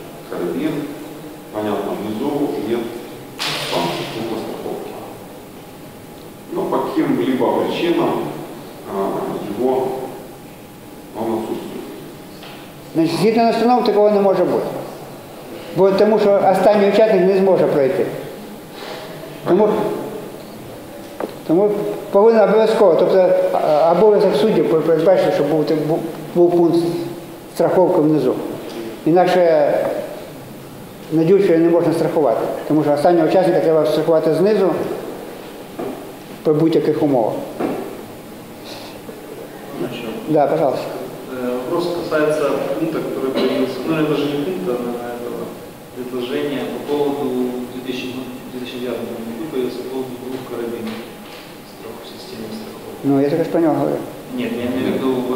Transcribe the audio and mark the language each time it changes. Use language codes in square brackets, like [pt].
[ru] Карабин, понятно, внизу нет там пункта страховки. Но по каким-либо причинам его он отсутствует. Значит, [uk] згідно настанов [ru] такого не может быть. [uk] Бо тому що останній учасник не зможе пройти. Тому повинен обов'язково, тобто обов'язок суддів передбачити, щоб був пункт страховки внизу. Інакше надюшує, не можна страхувати. Тому що останнього учасника треба страхувати знизу при будь-яких умовах. Ну, [ru] да, пожалуйста. Вопрос касается пункта, который появился. Ну, это же не пункт, а этого предложения по поводу 2009 года появился по поводу двух карабинов в страховой системе. Ну, я только что про него говорю. Нет, я имею в виду...